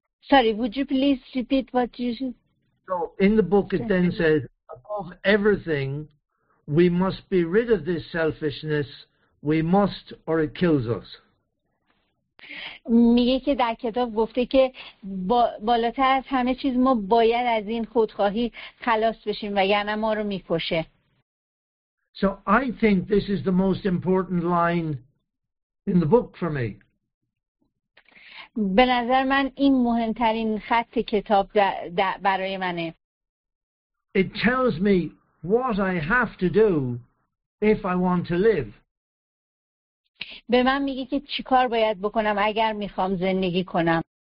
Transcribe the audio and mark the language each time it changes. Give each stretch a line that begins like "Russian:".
English: Sorry, would you please repeat what you said? So in the book it then says above everything, we must be rid of this selfishness. We must, or it kills us.
Persian: میگه که در کتاب گفته که بالاتر از همه چیز ما باید از این خودخواهی خلاص بشیم وگرنه ما رو میکشه.
English: So I think this is the most important line in the book for me.
Persian: به نظر من این مهمترین خط کتاب برای منه.
English: It tells me what I have to do if I want to live.
Persian: به من میگه که چیکار باید بکنم اگر میخوام زندگی کنم.